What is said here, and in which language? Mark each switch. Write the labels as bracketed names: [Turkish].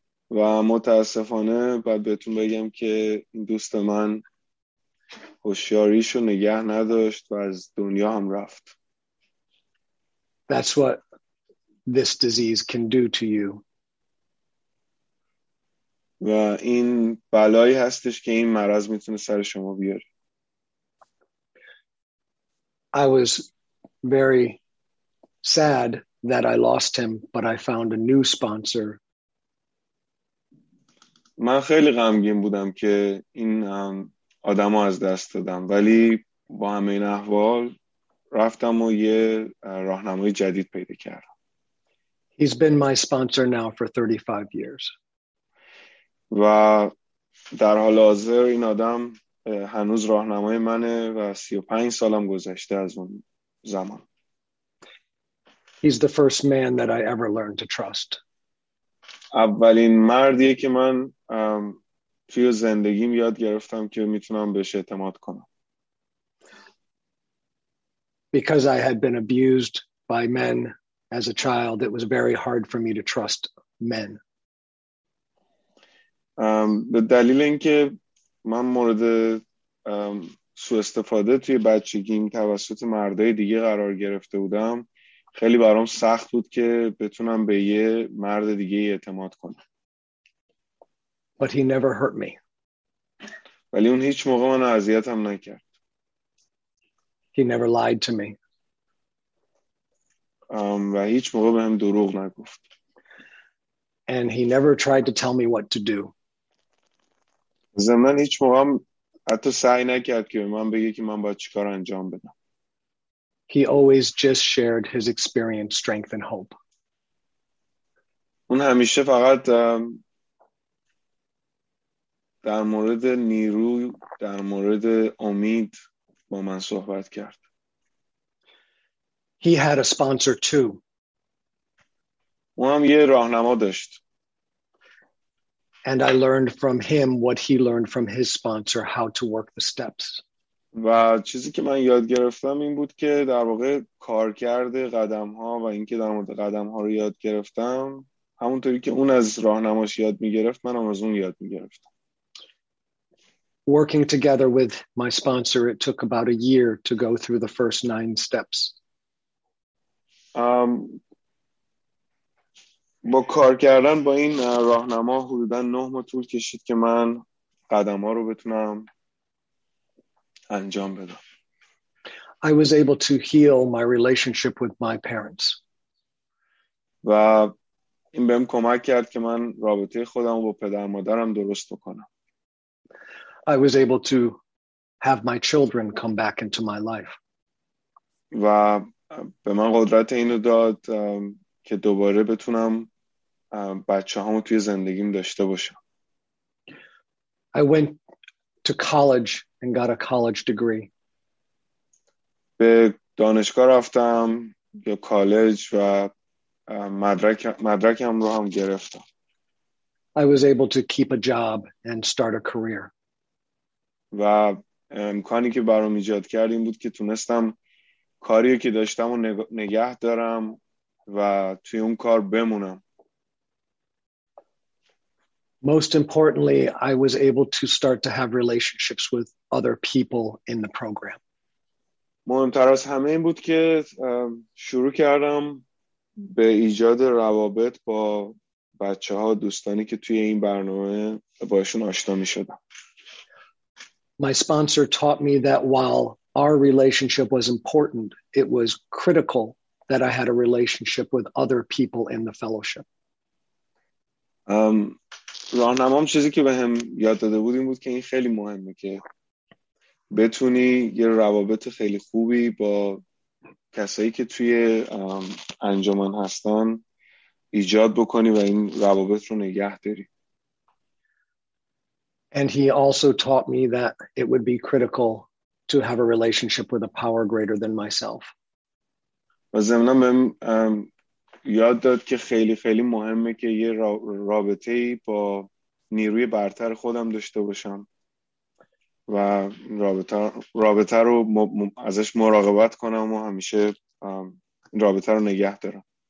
[Persian] و متاسفانه باید بهتون بگم که دوست من هوشیاریشو نگه نداشت و از دنیا هم رفت. [English] That's what this disease can do to you. [Persian] و این بلایی هستش که این مرض میتونه سر شما بیاره. [English] I was very sad that I lost him, but I found a new sponsor. [Persian] من خیلی غمگین بودم که این آدمو از دست دادم، ولی با همه این احوال رفتم و یه راهنمای جدید پیدا کردم. [English] He's been my sponsor now for 35 years. [Persian] و در حال حاضر این آدم هنوز راهنمای منه و 35 سالم گذشته از اون زمان. [English] He's the first man that I ever learned to trust. [Persian] اولین مردیه که من توی زندگیم یاد گرفتم که میتونم بهش اعتماد کنم. [English] Because I had been abused by men as a child, it was very hard for me to trust men. [Persian] به دلیل اینکه من مورد سوء استفاده توی بچگیم توسط مردای دیگه قرار گرفته بودم، خیلی برام سخت بود که بتونم به یه مرد دیگه اعتماد کنم. [English] but he never hurt me. [Persian] ولی اون هیچ موقع منو اذیتم نکرد. [English] He never lied to me. [Persian] و هیچ موقع بهم دروغ نگفت. [English] And he never tried to tell me what to do. [Persian] زمان هیچ موقع حتی سعی نکرد که من بگه که من باید چیکار انجام بدم. [English] He always just shared his experience, strength, and hope. [Persian] اون همیشه فقط در مورد نیرو، در مورد امید با من صحبت کرد. [English] He had a sponsor too. [Persian] اون هم یه راهنما داشت. [English] And I learned from him what he learned from his sponsor, how to work the steps. [Persian] و چیزی که من یاد گرفتم این بود که در واقع کار کرده قدم ها و اینکه در مورد قدم ها رو یاد گرفتم همونطوری که اون از راهنماش یاد میگرفت من هم از اون یاد میگرفتم. [English] Working together with my sponsor, it took about a year to go through the first 9 steps. [Persian] با کار کردن با این راهنما حدودا 9 ماه طول کشید که من قدم ها رو بتونم انجام بدم. [English] I was able to heal my relationship with my parents. [Persian] و این بهم کمک کرد که من رابطه خودم با پدر مادرم درست بکنم. [English] I was able to have my children come back into my life. [Persian] و به من قدرت اینو داد که دوباره بتونم بچه‌هامو توی زندگیم داشته باشم. [English] I went to college and got a college degree. [Persian] به دانشگاه رفتم یا کالج و مدرکم رو هم گرفتم. [English] I was able to keep a job and start a career. [Persian] و امکانی که برام ایجاد کرد این بود که تونستم کاری که داشتم رو نگه دارم و توی اون کار بمونم. [English] Most importantly, I was able to start to have relationships with other people in the program. [Persian] مهمتر از همه این بود که شروع کردم به ایجاد روابط با بچه‌ها دوستانی که توی این برنامه باشون آشنا می‌شدم. [English] My sponsor taught me that while our relationship was important, it was critical that I had a relationship with other people in the fellowship. [Persian] راهنمام چیزی که بهم یاد داده بود این بود که این خیلی مهمه که بتونی یه روابط خیلی خوبی با کسایی که توی انجمن هستن ایجاد بکنی و این روابط رو نگه داری. [English] And he also taught me that it would be critical to have a relationship with a power greater than myself. [Persian] و ضمناً بهم یاد داد که خیلی خیلی مهمه که یه رابطه‌ای با نیروی برتر خودم داشته باشم و رابطه رو ازش مراقبت کنم و همیشه رابطه رو نگه دارم.